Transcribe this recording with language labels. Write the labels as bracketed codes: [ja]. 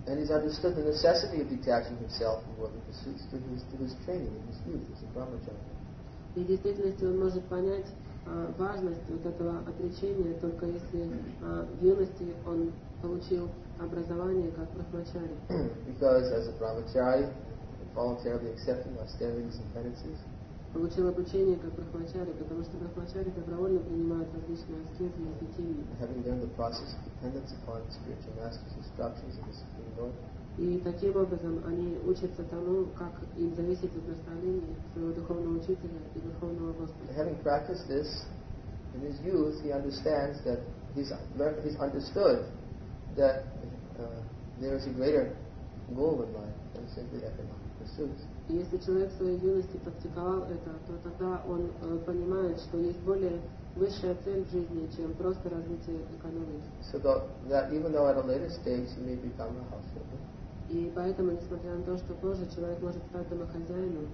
[en] And he's understood the necessity of detaching himself from worldly pursuits through his training and his youth as a brahmacharya. [ru] И в действительности он может понять важность вот этого отречения, только если в юности он получил образование как брахмачари. [en] Because as a brahmachari, voluntarily accepting austerities and penances. [ru] Получил обучение как брахмачари, потому что брахмачари добровольно принимают различные аскезы и освятения. [en] Having learned the process of dependence upon spiritual master's instructions of the Supreme Lord. [ru] И таким образом они учатся тому, как им зависеть от наставления своего духовного учителя и духовного господа. [en] Having practiced this in his youth, he understands that he's understood that there is a greater goal in life than simply economic pursuits. [ru] И если человек в своей юности практиковал это, то тогда он понимает, что есть более высшая цель в жизни, чем просто развитие экономики. [en] So that even though at a later stage he may become a householder. [ru] И поэтому, несмотря на то, что позже человек может стать домохозяином